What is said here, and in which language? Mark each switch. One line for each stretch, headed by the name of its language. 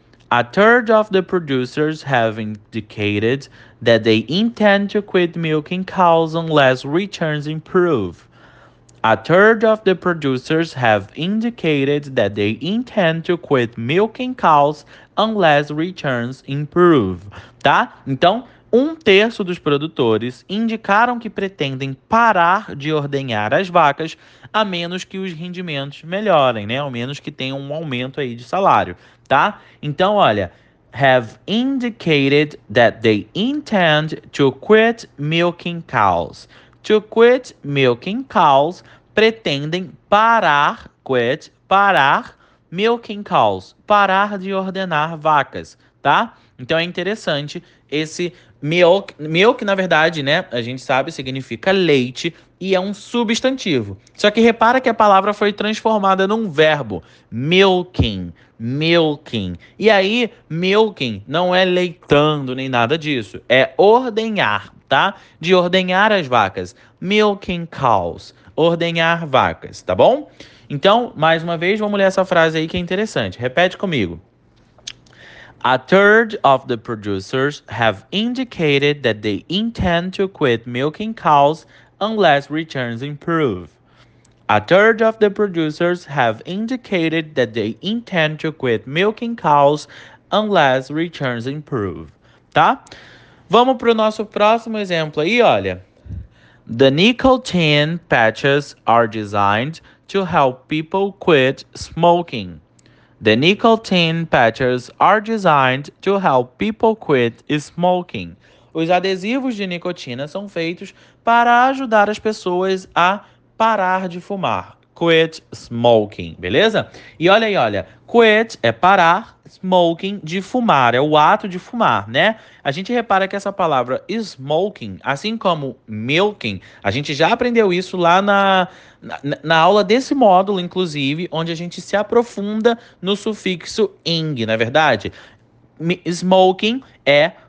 English: A third of the producers have indicated that they intend to quit milking cows unless returns improve. A third of the producers have indicated that they intend to quit milking cows unless returns improve.
Portuguese: Tá? Então, um terço dos produtores indicaram que pretendem parar de ordenhar as vacas a menos que os rendimentos melhorem, né? Ao menos que tenha um aumento aí de salário, tá? Então, olha,
English: have indicated that they intend to quit milking cows. To quit milking cows,
Portuguese: pretendem parar, quit, parar, milking cows, parar de ordenar vacas, tá? Então é interessante esse milk, milk na verdade, né, a gente sabe, significa leite e é um substantivo. Só que repara que a palavra foi transformada num verbo, milking, milking. E aí, milking não é leitando nem nada disso, é ordenhar. Tá? De ordenhar as vacas. Milking cows. Ordenhar vacas, tá bom? Então, mais uma vez, vamos ler essa frase aí que é interessante. Repete comigo.
English: A third of the producers have indicated that they intend to quit milking cows unless returns improve. A third of the producers have indicated that they intend to quit milking cows unless returns improve.
Portuguese: Tá? Vamos para o nosso próximo exemplo aí, olha.
English: The nickel tin patches are designed to help people quit smoking. The nickel tin patches are designed to help people quit smoking.
Portuguese: Os adesivos de nicotina são feitos para ajudar as pessoas a parar de fumar. Quit smoking, beleza? E olha aí, olha, quit é parar, smoking de fumar, é o ato de fumar, né? A gente repara que essa palavra smoking, assim como milking, a gente já aprendeu isso lá na aula desse módulo, inclusive, onde a gente se aprofunda no sufixo ing, não é verdade? Smoking é